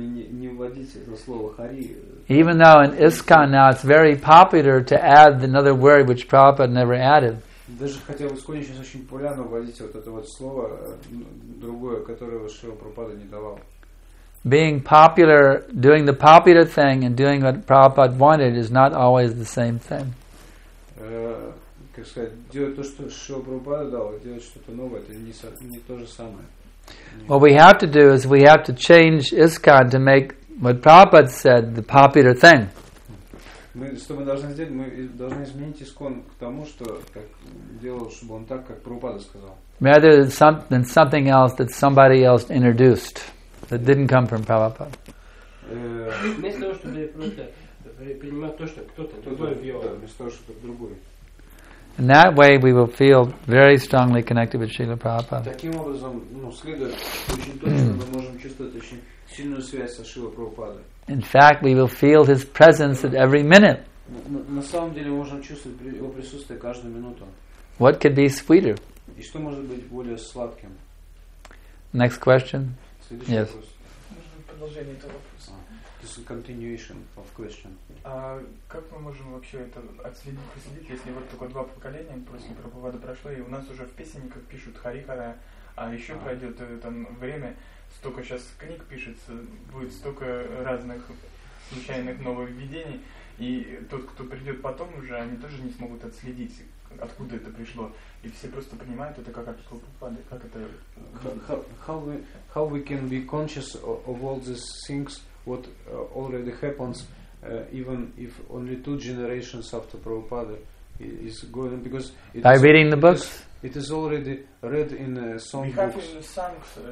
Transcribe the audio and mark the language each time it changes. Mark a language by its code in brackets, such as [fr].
[en] Even though in ISKCON now it's very popular to add another word which Prabhupada never added. [ru] Даже хотя в Исконе сейчас очень популярно вводить вот это вот слово другое, которое Шрила Прабхупада не давал. [en] Being popular, doing the popular thing and doing what Prabhupada wanted is not always the same thing. [ru] Как сказать, делать то, что Шрила Прабхупада дал, делать что-то новое, это не то же самое. [en] What we have to do is we have to change ISKCON to make what Prabhupada said the popular thing. [ru] Что мы должны сделать? Мы должны изменить ИСККОН к тому, что как делал, чтобы он так, как Прабхупада сказал. [en] Rather than something else that somebody else introduced, that didn't come from Prabhupada. [ru] Вместо того, чтобы просто принимать то, что кто-то другой ввел. Вместо того, чтобы другой. [en] In that way, we will feel very strongly connected with Srila Prabhupada. [ru] Таким образом, следует очень точно, мы можем чувствовать очень сильную связь со Шрилой Прабхупадой. [en] In fact, we will feel his presence at every minute. [ru] На самом деле, можем чувствовать его присутствие каждую минуту. [en] What could be sweeter? [ru] И что может быть более сладким? [en] Next question. [ru] Следующий [en] yes. [ru] вопрос. Продолжение этого вопроса. [en] This is a continuation of question. [ru] А как мы можем вообще это отследить, проследить, если вот только два поколения после Прабхупады прошло, и у нас уже в песенниках пишут Хари Хара, а еще пройдет там время, столько сейчас книг пишется, будет столько разных случайных новых введений, и тот, кто придет потом уже, они тоже не смогут отследить, откуда это пришло, и все просто понимают это как от Прабхупады, как это... [en] How we can be conscious of all these things, what already happens, even if only two generations after Prabhupada is going, because by reading the books, it is already read in some we books. Have songs,